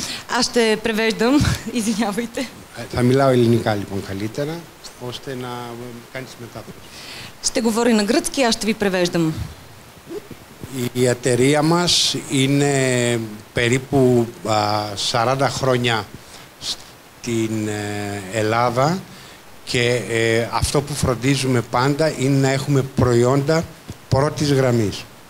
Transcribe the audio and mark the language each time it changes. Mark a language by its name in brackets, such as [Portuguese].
[Bulgarian] Аз ще превеждам, извинявайте. [Greek] Θα μιλάω ελληνικά λοιπόν καλύτερα. Ώστε να κάνεις μετάφραση. [Bulgarian] Ще говори на гръцки, аз ще ви превеждам. [Greek] Η εταιρεία μας είναι περίπου 40 χρόνια στην Ελλάδα και αυτό που φροντίζουμε πάντα είναι να έχουμε προϊόντα πρώτης γραμμής.